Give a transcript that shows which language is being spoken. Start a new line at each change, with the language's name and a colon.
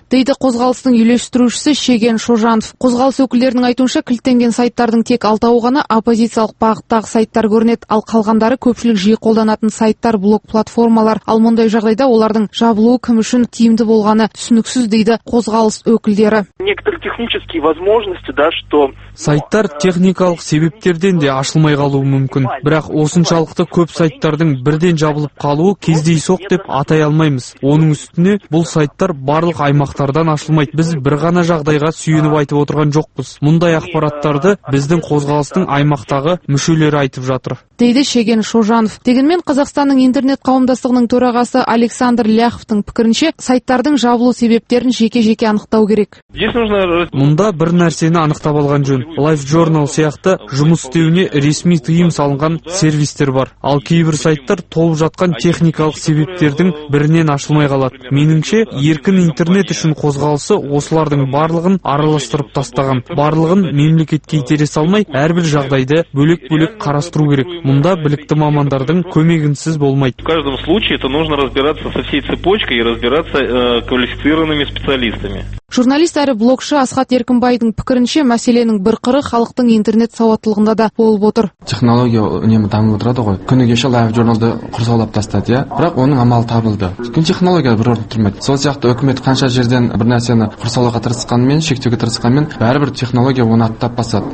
Kazakh: Дейді қозғалыстың үйлестірушісі Шеген Шожанов. Қозғалыс өкілдерінің айтуынша кілттенген сайттардың тек алтауы ғана оппозициялық бағыттағы сайттар көрінеді, ал қалғандары көпшілік жиі қолданатын сайттар, блог платформалар. Ал мұндай жағдайда олардың жабылуы кім үшін тиімді болғаны түсініксіз, дейді қозғалыс өкілдері.
Russian: Некоторые технические возможности, да, что
Kazakh: сайттар техникалық себептерден де ашылмай қалуы мүмкін. Бірақ осыншалықты көп сайттардың бірден жабылып қалуы кездейсоқ деп атай алмаймыз. Оның үстіне бұл сайттар барлық аймақтардан ашылмайды. Біз бір ғана жағдайға сүйеніп айтып отырған жоқпыз. Мұндай ақпараттарды біздің қозғалыстың аймақтағы мүшелері айтып жатыр. Дейді Шеген Шожанов. Дегенмен Қазақстанның интернет қауымдастығының төрағасы Александр Ляховтың пікірінше, сайттардың жабылу себептерін жеке-жеке анықтау керек. Мұнда бір нәрсені анықтап алған жөн. Life Journal сияқты жұмыс істеуіне ресми тыйым салынған сервистер бар. Ал кейбір сайттар толып жатқан техникалық себептердің бірінен ашылмай қалады. Меніңше, еркін интернет үшін қозғалысы осылардың барлығын араластырып тастаған. Барлығын мемлекетке итере салмай, әрбір жағдайды бөлек-бөлек қарастыру керек. Мұнда білікті мамандардың көмегінсіз болмайды.
Russian: В каждом случае это нужно разбираться со всей цепочкой и разбираться квалифицированными специалистами.
Kazakh: Журналист әрі блогшы Асхат Еркінбайдың пікірінше, мәселенің бір қыры халықтың интернет сауаттылығында да болып отыр. Технология үнемі дамып отырады ғой. Күні кеше Live Journal-ды құрсаулап тастады, бірақ оның амалы табылды. Күн технология бір орында тұрмайды. Сол сияқты үкімет қанша жерден бір нәрсені құрсаулауға тырысқанымен, шектеуге тырысқанымен, бәрібір технология оны аттап басады.